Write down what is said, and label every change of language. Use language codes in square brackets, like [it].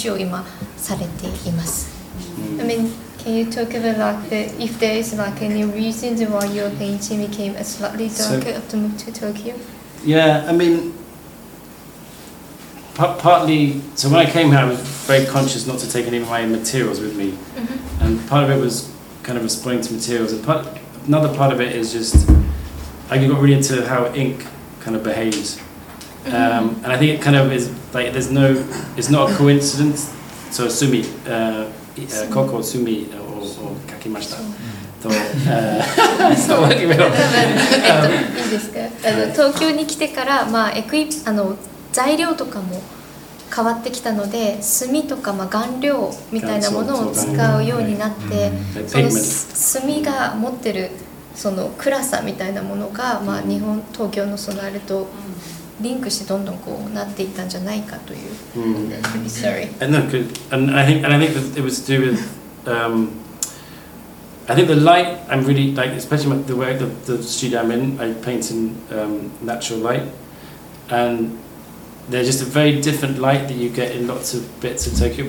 [ja] で、絵もこうフラットになって暗くなっていったっていう、そういう話を今されています。 [en] I mean, can you talk about like the, if there is like any reason why your painting became a slightly darker after moving to Tokyo? Yeah, I mean, partly, so when I came here I was very conscious not to take any of my materials with me. Mm-hmm. And part of it was kind of responding to materials. And another part of it is just, I got really into how ink kind of behaves. Mm-hmm. And I think it kind of is like it's not a coincidence. [ja] So Sumi, Koko Sumi or Kakimashita. そう、いいですか。東京に来てから、まあ、材料とかも変わってきたので、炭とか、まあ、顔料みたいなものを使うようになって、その炭が持ってるその暗さみたいなものが、まあ、日本東京のそのあれとリンクしてどんどんこうなっていったんじゃないかという。 [en] Sorry. And look, and I think that it was to do with, I think the light. I'm really like, especially the way the studio I'm in. I paint in natural light, and there's just a very different light that you get in lots of bits of Tokyo.